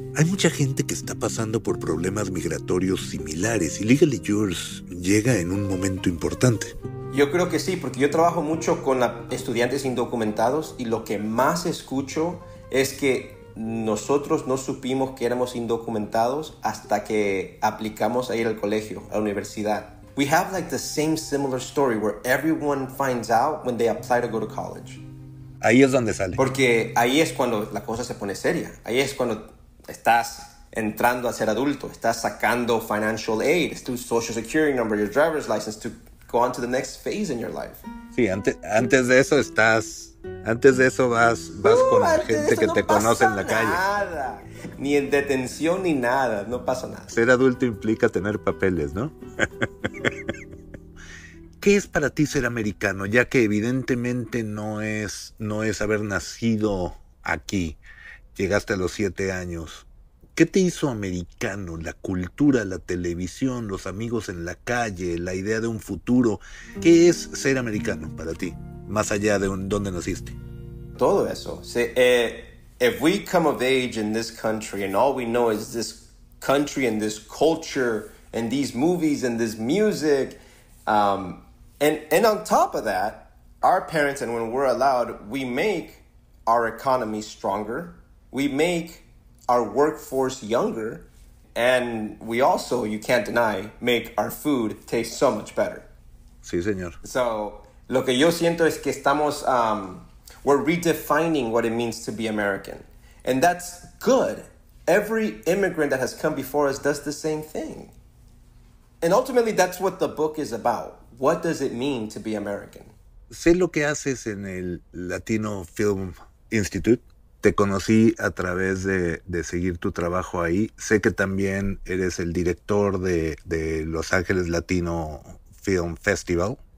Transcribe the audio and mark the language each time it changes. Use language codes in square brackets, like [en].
[es] Hay mucha gente que está pasando por problemas migratorios similares y Legally Yours llega en un momento importante. Yo creo que sí, porque yo trabajo mucho con estudiantes indocumentados y lo que más escucho es que nosotros no supimos que éramos indocumentados hasta que aplicamos a ir al colegio, a la universidad. [en] We have like the same similar story where everyone finds out when they apply to go to college. [es] Ahí es donde sale. Porque ahí es cuando la cosa se pone seria. Ahí es cuando estás entrando a ser adulto, estás sacando [en] financial aid, tu social security number, your driver's license to go on to the next phase in your life. [es] Sí, antes de eso estás... Antes de eso vas con la gente que te conoce en la calle. Nada, ni en detención ni nada, no pasa nada. Ser adulto implica tener papeles, ¿no? ¿Qué es para ti ser americano? Ya que evidentemente no es haber nacido aquí. Llegaste a los 7 años. ¿Qué te hizo americano? ¿La cultura, la televisión, los amigos en la calle, la idea de un futuro? ¿Qué es ser americano para ti? Más allá de dónde naciste. Todo eso. Sí, [en] if we come of age in this country and all we know is this country and this culture and these movies and this music, and on top of that, our parents, and when we're allowed, we make our economy stronger, we make our workforce younger, and we also, you can't deny, make our food taste so much better. [es] Sí, señor. [en] So, [es] lo que yo siento es que estamos, [en] we're redefining what it means to be American. And that's good. Every immigrant that has come before us does the same thing. And ultimately, that's what the book is about. What does it mean to be American? [es] Sé lo que haces en el Latino Film Institute. Te conocí a través de seguir tu trabajo ahí. Sé que también eres el director de Los Ángeles Latino Film Festival.